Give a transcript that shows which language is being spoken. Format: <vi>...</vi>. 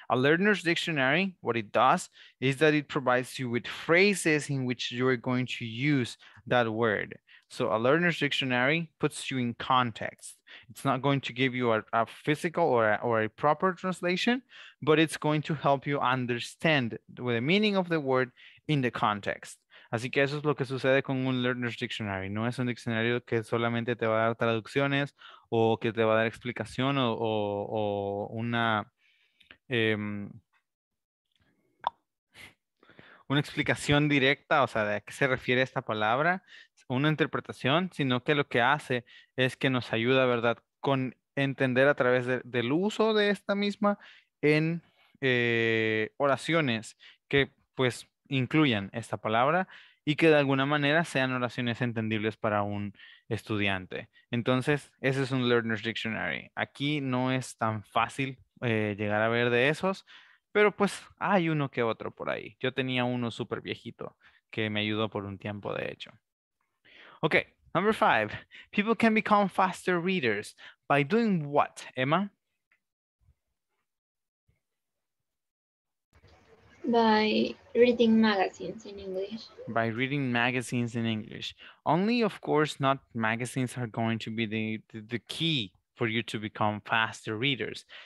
<en>A learner's dictionary, what it does is that it provides you with phrases in which you are going to use that word. So a learner's dictionary puts you in context. It's not going to give you a physical or a proper translation, but it's going to help you understand the meaning of the word in the context.</en> <es>Así que eso es lo que sucede con un learner's dictionary. No es un diccionario que solamente te va a dar traducciones o que te va a dar explicación o una explicación directa, o sea, de a qué se refiere esta palabra, una interpretación, sino que lo que hace es que nos ayuda, ¿verdad?, con entender a través del uso de esta misma en oraciones que, pues, incluyan esta palabra y que de alguna manera sean oraciones entendibles para un estudiante. Entonces, ese es un learner's dictionary. Aquí no es tan fácil llegar a ver de esos, pero pues hay uno que otro por ahí. Yo tenía uno súper viejito que me ayudó por un tiempo, de hecho.</es> <en>Ok, number five. People can become faster readers by doing what, Emma? By reading magazines in English. By reading magazines in English. Only, of course, not magazines are going to be the key for you to become faster readers.</en>